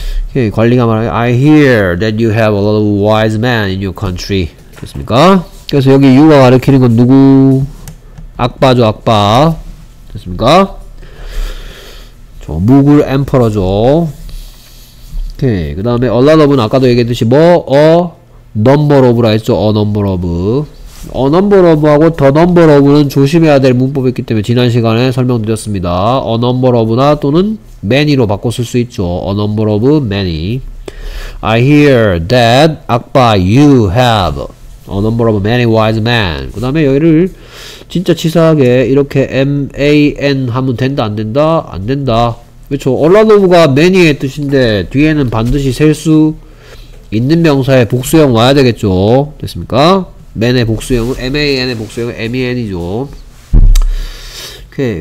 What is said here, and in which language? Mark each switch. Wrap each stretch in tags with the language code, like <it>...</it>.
<ko>오케이, 관리가 말하기</ko> <en>I hear that you have a lot of wise men in your country.</en> <ko>됐습니까? 그래서 여기 you가 가르치는 건 누구? 악바죠, 악바. 됐습니까? 저 무굴 엠퍼러죠. 오케이, 그 다음에 a lot of은 아까도 얘기했듯이 뭐? a number of라 했죠, a number of. a number of하고 the number of는 조심해야 될 문법이 있기 때문에 지난 시간에 설명드렸습니다. a number of나 또는 many로 바꿔 쓸 수 있죠. a number of many.</ko> <en>I hear that, 악바, you have a number of many wise men.</en> <ko>그 다음에 여기를 진짜 치사하게 이렇게 man 하면 된다 안 된다? 안 된다. 그렇죠. a lot of가 many의 뜻인데 뒤에는 반드시 셀 수 있는 명사의 복수형 와야 되겠죠. 됐습니까? man의 복수형은 man의 복수형은 men이죠. 오케이.</ko>